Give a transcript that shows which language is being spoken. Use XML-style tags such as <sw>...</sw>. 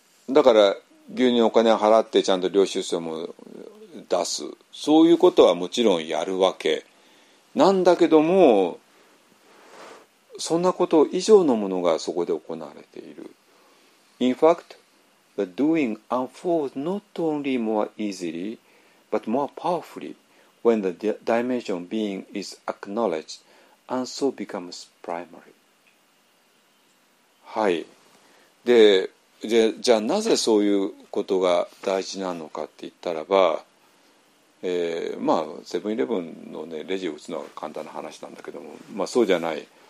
<ja>だから牛乳のお金を払ってちゃんと領収書も出す、そういうことはもちろんやるわけなんだけども、そんなこと以上のものがそこで行われている。</ja> <en>In fact, the doing unfolds not only more easily, but more powerfully when the dimension of being is acknowledged and so becomes primary.</en> <ja>はい。で、じゃあなぜそういうことが大事なのかって言ったらば、まあ、セブンイレブンのね、レジを打つのは簡単な話なんだけども、まあそうじゃない。</ja>